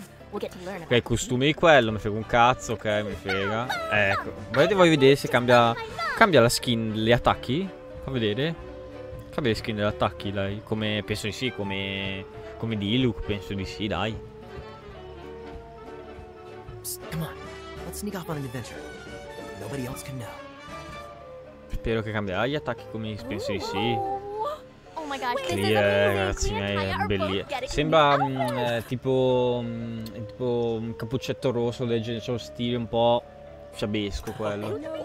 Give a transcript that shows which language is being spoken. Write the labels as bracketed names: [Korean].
[Italian] Ok, il costume di quello, mi frega un cazzo, ok, mi frega. Ecco, voglio vedere se cambia la skin, gli attacchi? Fa vedere? Cambia la skin degli attacchi, dai, come penso di sì, come Diluc, penso di sì, dai. [English] Come on, let's sneak off on an adventure. Nobody else can know. [Italian] Spero che cambierà gli attacchi come penso di sì. [English] Oh my god, [Italian] Klee, ragazzi, è bellissimo. Sembra tipo un cappuccetto rosso del genere, c'è un stile un po' fiabesco quello.